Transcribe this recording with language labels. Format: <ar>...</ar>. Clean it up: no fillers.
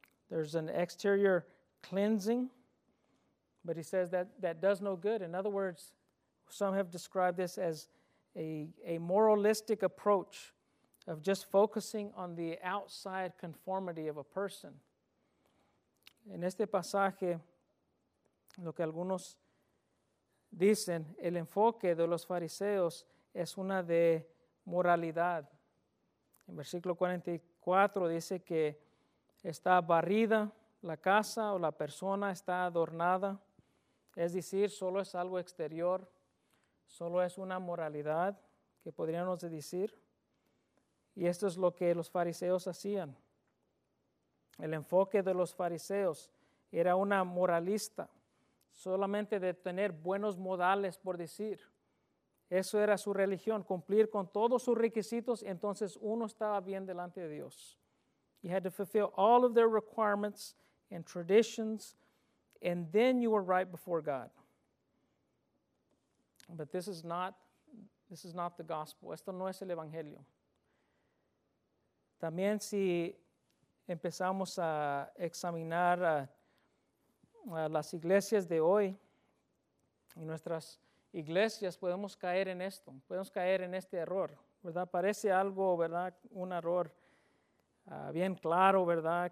<en>There's an exterior cleansing, but he says that that does no good. In other words, some have described this as a moralistic approach of just focusing on the outside conformity of a person.</en> <es>En este pasaje, lo que algunos dicen, el enfoque de los fariseos es una de moralidad. En versículo 44 dice que está barrida la casa o la persona está adornada. Es decir, solo es algo exterior, solo es una moralidad que podríamos decir. Y esto es lo que los fariseos hacían. El enfoque de los fariseos era una moralista, solamente de tener buenos modales, por decir. Eso era su religión, cumplir con todos sus requisitos, entonces uno estaba bien delante de Dios.</es> <en>You had to fulfill all of their requirements and traditions, and then you were right before God. But this is not the gospel.</en> <es>Esto no es el evangelio. También si empezamos a examinar a las iglesias de hoy y nuestras iglesias, podemos caer en esto, podemos caer en este error, ¿verdad? Parece algo, ¿verdad? Un error bien claro, ¿verdad?</es>